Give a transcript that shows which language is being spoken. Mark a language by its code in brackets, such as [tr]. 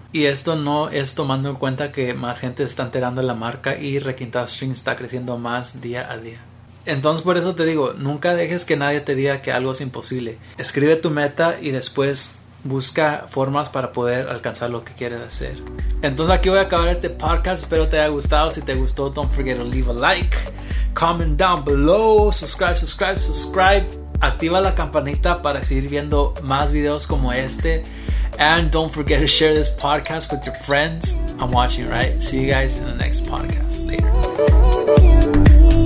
[es] Y esto no es tomando en cuenta que más gente está enterando la marca y Requintado Strings está creciendo más día a día. Entonces, por eso te digo, nunca dejes que nadie te diga que algo es imposible. Escribe tu meta y después busca formas para poder alcanzar lo que quieres hacer. Entonces, aquí voy a acabar este podcast. Espero te haya gustado. Si te gustó, [en] don't forget to leave a like. Comment down below. Subscribe. [es] Activa la campanita para seguir viendo más videos como este. [en] And don't forget to share this podcast with your friends. I'm watching, right? See you guys in the next podcast. Later.